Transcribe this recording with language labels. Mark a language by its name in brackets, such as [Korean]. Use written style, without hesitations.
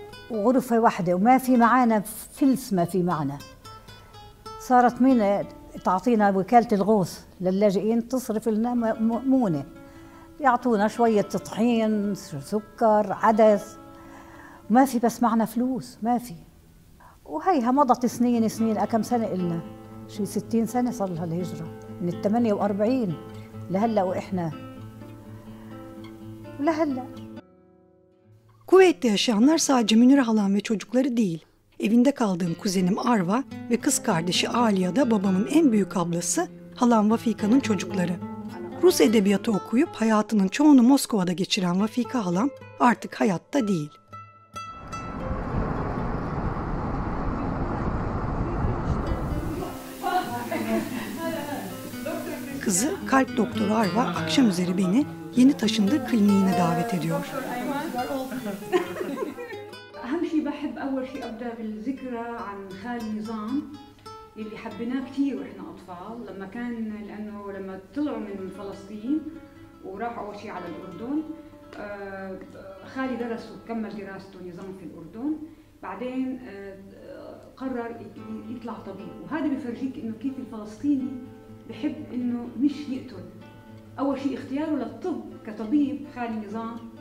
[Arabic] وغرفة واحدة وما في معانا فلس ما في معنا صارت مين تعطينا وكالة الغوص للاجئين تصرف لنا مؤمونة يعطونا شوية طحين سكر عدس ما في بس معنا فلوس ما في وهيها مضت سنين سنين كم سنة إلنا شي 60 سنة صار لها الهجرة من 48 لهلأ وإحنا لهلأ [Turkish] Kuveyt'te yaşayanlar sadece Münir halam ve çocukları değil. Evinde kaldığım kuzenim Arva ve kız kardeşi Aliya da babamın en büyük ablası halam Vafika'nın çocukları. Rus edebiyatı okuyup hayatının çoğunu Moskova'da geçiren Vafika halam artık hayatta değil. Kızı kalp doktoru Arva akşam üzeri beni yeni taşındığı kliniğine davet ediyor. [Arabic] أهم شيء بحب أول شيء أبدأ بالذكرى عن خالي نظام اللي حبيناه كتير وإحنا أطفال لما كان لأنه لما طلعوا من فلسطين وراحوا أول شيء على الأردن خالي درس وكمل دراسته نظام في الأردن بعدين قرر يطلع طبيب وهذا بيفرجيك إنه كيف الفلسطيني بحب إنه مش يقتل أول شيء اختياره للطب كطبيب خالي نظام